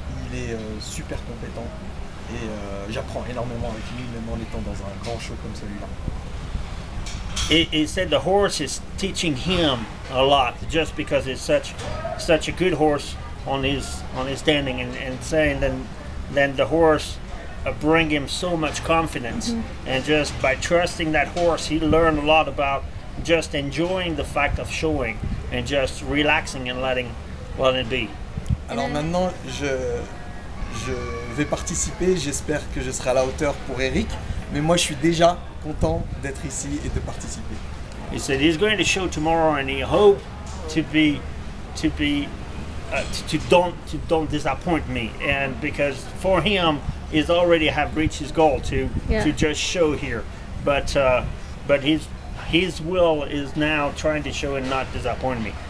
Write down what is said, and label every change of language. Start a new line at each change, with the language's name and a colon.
French: Il est super compétent et j'apprends énormément avec lui, même en étant dans un grand show comme celui-là.
English: He said the horse is teaching him a lot, just because it's such a good horse on his standing, and saying then the horse bring him so much confidence, and just by trusting that horse, he learned a lot about just enjoying the fact of showing. And just relaxing and letting it be.
French: Alors maintenant, je vais participer. J'espère que je serai à la hauteur pour Eric. Mais moi, je suis déjà content d'être ici et de participer.
English: He said he's going to show tomorrow, and he hope to don't disappoint me. And because for him, he's already have reached his goal to just show here. But he's. His will is now trying to show and not disappoint me.